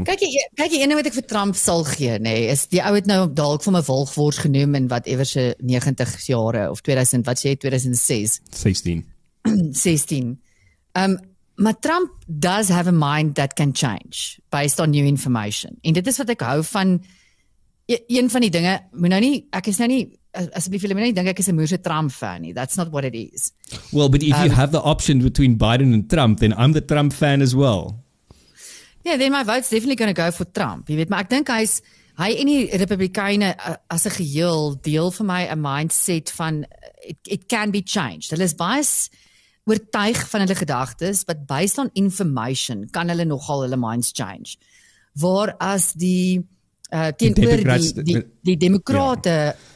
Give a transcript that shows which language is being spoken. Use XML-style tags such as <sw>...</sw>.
<af>Kyk jy ene wat ek vir Trump sal gee, nê, is die ou het nou dalk van 'n walgwors genoem in wat ewer se 90 jare of 2000, wat sê jy, 2006? 16. Maar</af> <en>Trump does have a mind that can change based on new information.</en> <af>En dit is wat ek hou van een van die dinge, ek is 'n moerse Trump fan nie.</af> <en>That's not what it is. Well, but if you have the option between Biden and Trump, then I'm the Trump fan as well. Yeah, then my vote's definitely going to go for Trump.</en> <af>Jy weet, maar ek dink hy en die Republikeine as 'n geheel deel vir my 'n mindset van</af> <en>it can be changed.</en> <af>Hulle is baie oortuig van hulle gedagtes,</af> <en>but based on information</en> <af>kan hulle nogal hulle</af> <en>minds change.</en> <af>Waar as die die demokrate</af>